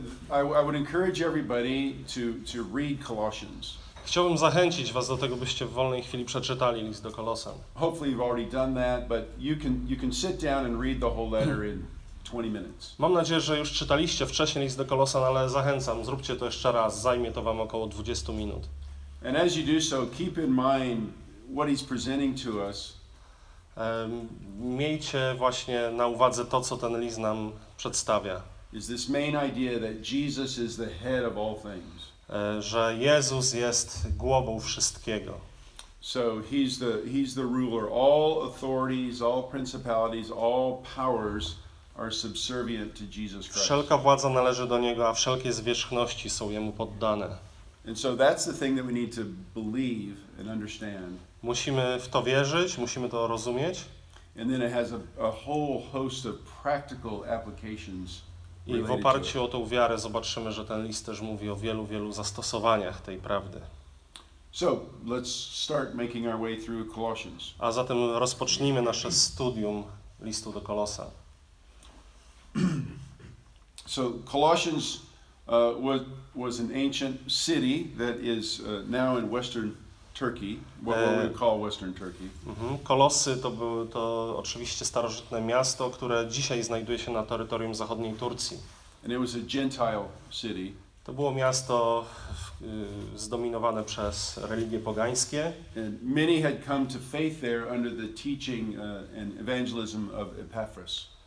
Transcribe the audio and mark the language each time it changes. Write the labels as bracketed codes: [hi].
[en] I would encourage everybody to read Colossians. [pl] Chciałbym zachęcić was do tego, byście w wolnej chwili przeczytali list do Kolosan. [en] Hopefully you've already done that, but you can sit down and read the whole letter in 20 minutes. [pl] Mam nadzieję, że już czytaliście wcześniej list do Kolosan, ale zachęcam, zróbcie to jeszcze raz. Zajmie to wam około 20 minut. [en] And as you do so, keep in mind what he's presenting to us. [pl] Miejcie właśnie na uwadze to, co ten list nam przedstawia. [en] Is this main idea that Jesus is the head of all things. [pl] Że Jezus jest głową wszystkiego. [en] So he's the ruler. All authorities, all principalities, all powers are subservient to Jesus Christ. [pl] Wszelka władza należy do niego, a wszelkie zwierzchności są jemu poddane. [en] And so that's the thing that we need to believe and understand. [pl] Musimy w to wierzyć, musimy to rozumieć. [en] And then it has a whole host of practical applications. [pl] I w oparciu o tą wiarę zobaczymy, że ten list też mówi o wielu, wielu zastosowaniach tej prawdy. [en] So, let's start making our way through Colossians. [pl] A zatem rozpocznijmy nasze studium listu do Kolosa. [en] So, Colossians was an ancient city that is now in Western Turkey, what we call Western Turkey. [pl] Kolosy to oczywiście starożytne miasto, które dzisiaj znajduje się na terytorium zachodniej Turcji. [en] And it was a Gentile city. [pl] To było miasto zdominowane przez religie pogańskie. [en] And many had come to faith there under the teaching and evangelism of Epaphras.